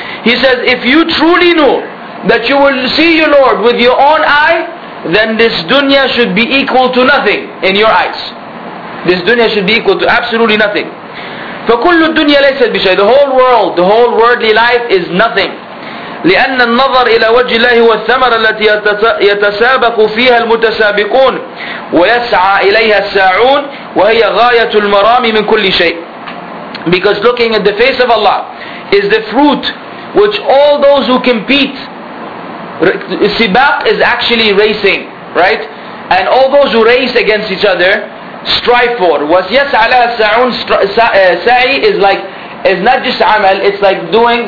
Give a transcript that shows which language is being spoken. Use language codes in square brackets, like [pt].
[en] He says, if you truly know that you will see your Lord with your own eye, then this dunya should be equal to nothing in your eyes. This dunya should be equal to absolutely nothing. [ar] فَكُلُّ الدُّنْيَا لَيْسَتْ بِشَيْءٍ. [en] The whole world, the whole worldly life is nothing. [ar] لأن النظر إلى وجه الله هو الثمرة التي يتسابق فيها المتسابقون ويسعى إليها الساعون وهي غاية المرام من كل شيء. [en] Because looking at the face of Allah is the fruit which all those who compete, sibaq is actually racing, right? And all those who race against each other strive for. [ar] ويسعى إليها الساعون, [en] سعي is like, is not just عمل, it's like doing.